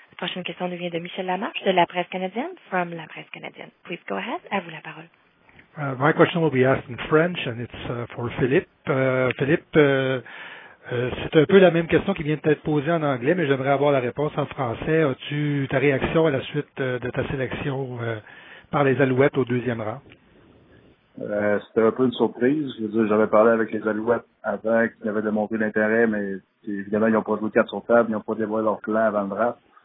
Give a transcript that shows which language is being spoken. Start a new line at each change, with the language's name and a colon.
French: Prochaine question nous vient de Michel Lamarche de La Presse Canadienne, from La Presse Canadienne.
English: Please go ahead.
French: À vous la parole.
English: My question will be asked in French, and it's for Philippe.
French: Philippe, c'est un peu la même question qui vient d'être posée en anglais, mais j'aimerais avoir la réponse en français. As-tu ta réaction à la suite de ta sélection par les Alouettes au deuxième rang? C'était un peu une surprise. Je veux dire, j'avais parlé avec les Alouettes avant, qui avaient démontré l'intérêt, mais évidemment, ils n'ont pas joué 4 sur table, ils n'ont pas dévoilé leur plan avant le draft.